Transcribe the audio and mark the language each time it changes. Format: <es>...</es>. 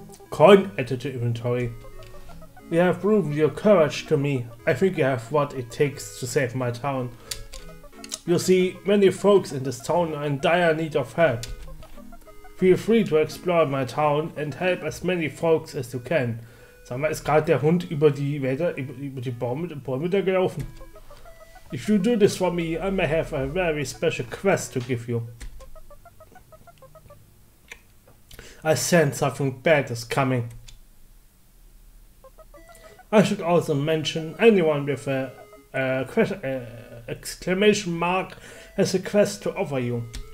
<en>Coin added to inventory. You have proven your courage to me. I think you have what it takes to save my town. You see, many folks in this town are in dire need of help. Feel free to explore my town and help as many folks as you can.</en> <de>Sag mal, ist gerade der Hund über die Bäume da gelaufen?</de> <en>If you do this for me, I may have a very special quest to give you. I sense something bad is coming. I should also mention anyone with an exclamation mark has a quest to offer you.</en>